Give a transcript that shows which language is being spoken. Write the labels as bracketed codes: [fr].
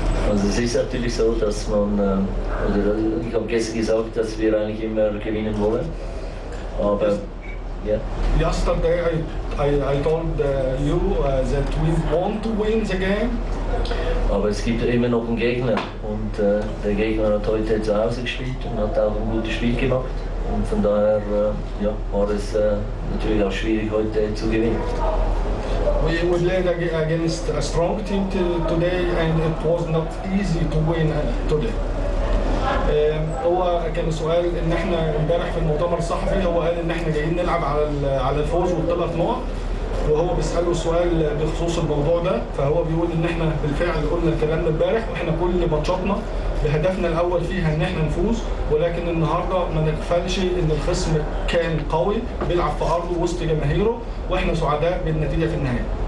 [de] Also es ist natürlich so, dass man, ich habe gestern gesagt, dass wir eigentlich immer gewinnen wollen. Aber, [en] yeah. Yesterday I told you that we want to win the game. [de] Aber es gibt immer noch einen Gegner. Und der Gegner hat heute zu Hause gespielt und hat auch ein gutes Spiel gemacht. Und von daher ja, war es natürlich auch schwierig, heute zu gewinnen. [en] We played against a strong team today and it was not easy to win today. [ar] هو كان سؤال ان احنا امبارح في المؤتمر الصحفي، هو قال ان احنا جايين نلعب على الفوز والثلاث نقط، وهو بيساله سؤال بخصوص الموضوع ده، فهو بيقول ان احنا بالفعل قلنا الكلام ده امبارح، واحنا كل ماتشاتنا بهدفنا الاول فيها ان احنا نفوز، ولكن النهارده ما نغفلش ان الخصم كان قوي بيلعب في ارضه وسط جماهيره، واحنا سعداء بالنتيجه في النهايه.